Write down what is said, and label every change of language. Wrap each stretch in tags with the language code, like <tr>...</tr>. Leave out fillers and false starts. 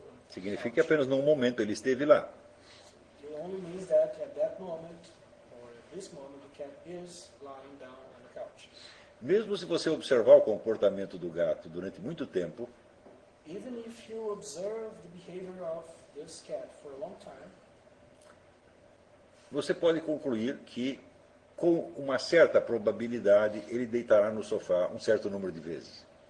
<pt>Significa que apenas num momento ele esteve lá.</pt> <en>It only means that at that moment or at this moment the cat is lying down on the couch.</en> <pt>Mesmo se você observar o comportamento do gato durante muito tempo,</pt> <en>even if you observe the behavior of this cat for a long time,</en> <pt>você pode concluir que, com uma certa probabilidade, ele deitará no sofá um certo número de vezes.</pt>